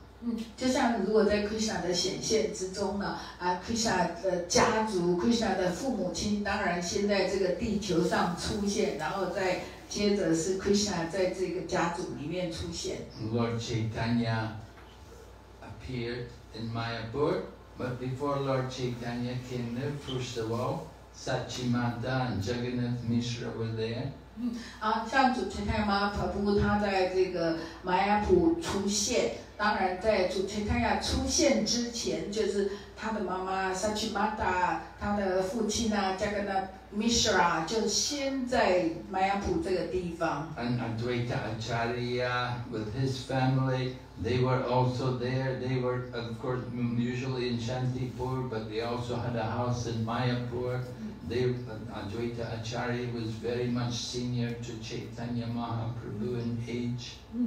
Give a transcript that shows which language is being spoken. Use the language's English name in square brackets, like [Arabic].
[Chinese] 嗯、就像如果在 Krishna 的显现之中呢、啊、Krishna 的家族 Krishna 的父母亲当然先在这个地球上出现然后再接着是 Krishna 在这个家族里面出现 [English] Lord Chaitanya appeared in Mayapur but before Lord Chaitanya came there first of all Sachimata and Jagannath Mishra were there [Chinese] 啊、像主持太妈婆布他在这个玛雅普出现当然在主持太妈出现之前就是他的妈妈萨奇玛达他的父亲啊加格纳米舍拉就先在玛雅普这个地方 [English] And Advaita Acharya with his family they were also there they were of course usually in Shantipur but they also had a house in MayapurAdvaita Acharya was very much senior to Chaitanya Mahaprabhu in age.